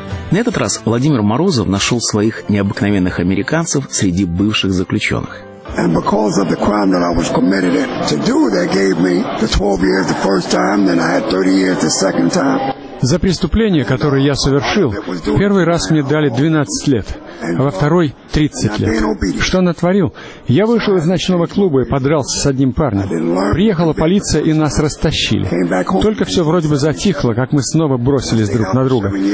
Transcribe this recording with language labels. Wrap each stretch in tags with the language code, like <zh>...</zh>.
<ru>На этот раз Владимир Морозов нашел своих необыкновенных американцев среди бывших заключенных.</ru> <en>And because of the crime that I was committed to do, they gave me the 12 years the first time, then I had 30 years the second time.</en> <ru>За преступление, которое я совершил, в первый раз мне дали 12 лет, а во второй – 30 лет. Что натворил? Я вышел из ночного клуба и подрался с одним парнем. Приехала полиция, и нас растащили. Только все вроде бы затихло, как мы снова бросились друг на друга.</ru>